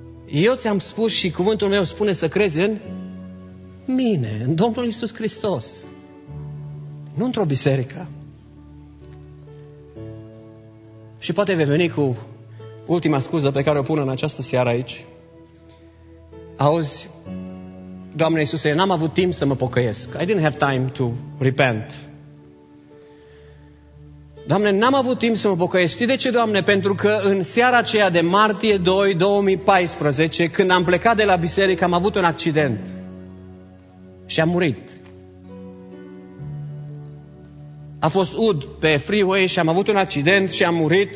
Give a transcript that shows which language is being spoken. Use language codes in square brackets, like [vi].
[ro] Eu ți-am spus și cuvântul meu spune să crezi în mine, în Domnul Iisus Hristos. Nu într-o biserică. Și poate vei veni cu ultima scuză pe care o pun în această seară aici. Auzi, Doamne Iisuse, n-am avut timp să mă pocăiesc. [en] I didn't have time to repent. [ro] Doamne, n-am avut timp să mă pocăiesc. Știi de ce, Doamne? Pentru că în seara aceea de martie 2, 2014, când am plecat de la biserică, am avut un accident. Și am murit. A fost ud pe freeway și am avut un accident și am murit.